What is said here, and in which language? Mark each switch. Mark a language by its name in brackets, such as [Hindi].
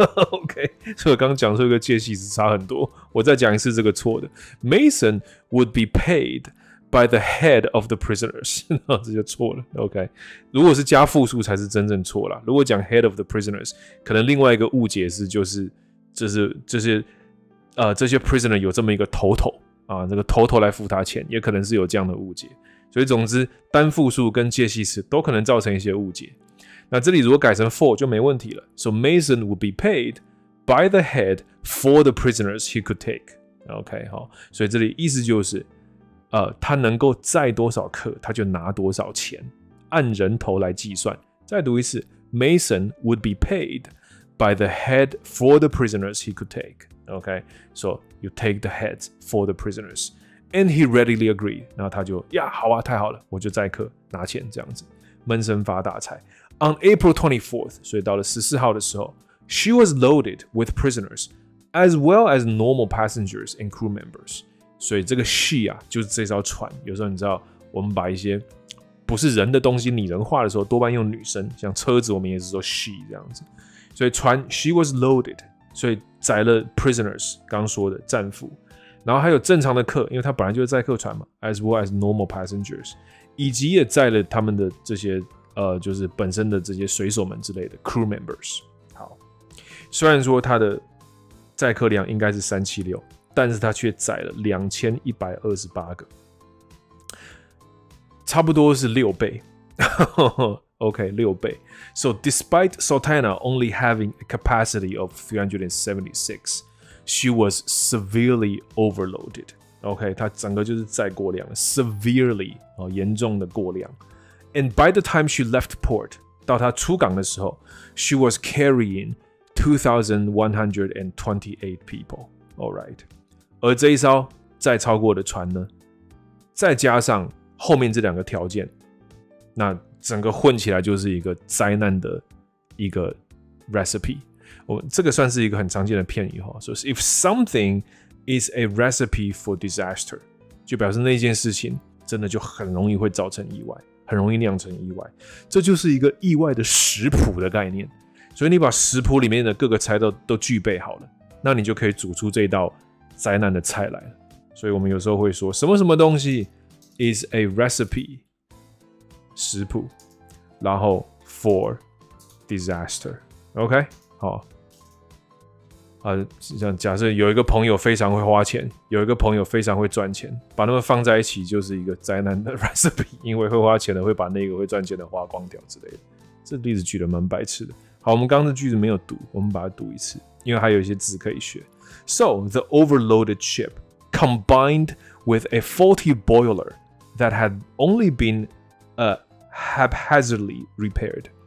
[Chinese] OK， 所以我刚刚讲出一个介系词差很多，我再讲一次这个错的。 [English] Mason would be paid by the head of the prisoners， 这就错了。 [Chinese] OK， 如果是加复数才是真正错了。如果讲 [English] head of the prisoners， [Chinese] 可能另外一个误解是这些 prisoner 有这么一个头头。啊，这个头头来付他钱，也可能是有这样的误解。所以总之，单复数跟介系词都可能造成一些误解。那这里如果改成 for 就没问题了。 [English] So Mason would be paid by the head for the prisoners he could take. [Chinese] OK， 好，所以这里意思就是，他能够载多少客，他就拿多少钱，按人头来计算。再读一次 [English] ，Mason would be paid by the head for the prisoners he could take. Okay, so you take the heads for the prisoners, and he readily agreed. [Chinese] 然后他就呀，好啊，太好了，我就载客拿钱这样子。闷声发大财。 [English] On April 24th, [Chinese] 所以到了14号的时候 [English] she was loaded with prisoners, as well as normal passengers and crew members. [Chinese] 所以这个 she 啊，就是这艘船。有时候你知道，我们把一些不是人的东西拟人化的时候，多半用女生，像车子我们也是说 she 这样子。所以船 [English] she was loaded, [Chinese] 所以载了 prisoners, 刚说的战俘。然后还有正常的客，因为他本来就是载客船嘛 ， [English] as well as normal passengers， [Chinese] 以及也载了他们的这些就是本身的这些水手们之类的 crew members。好，虽然说他的载客量应该是376，但是他却载了2128个，差不多是六倍。 [English] OK， [Chinese] 六倍。 [English] So despite Sultana only having a capacity of 376。 She was severely overloaded. [Chinese] OK, 她整个就是载过量了 severely, 严重的过量。 [English] And by the time she left port, [Chinese] 到她出港的时候 [English] she was carrying 2,128 people. Alright. [Chinese] 而这一艘载超过的船呢再加上后面这两个条件那整个混起来就是一个灾难的一个 recipe。这个算是一个很常见的片语哈，说 [English] if something is a recipe for disaster， [Chinese] 就表示那件事情真的就很容易会造成意外，很容易酿成意外，这就是一个意外的食谱的概念。所以你把食谱里面的各个材料都具备好了，那你就可以煮出这道灾难的菜来了。所以我们有时候会说什么什么东西 [English] is a recipe [Chinese] 食谱，然后 [English] for disaster， [Chinese] OK。好、哦，像假设有一个朋友非常会花钱，有一个朋友非常会赚钱，把他们放在一起就是一个灾难的 recipe， 因为会花钱的会把那个会赚钱的花光掉之类的。这例子举得蛮白痴的。好，我们刚刚的句子没有读，我们把它读一次，因为还有一些字可以学。 [English] So the overloaded ship combined with a faulty boiler that had only been haphazardly repaired.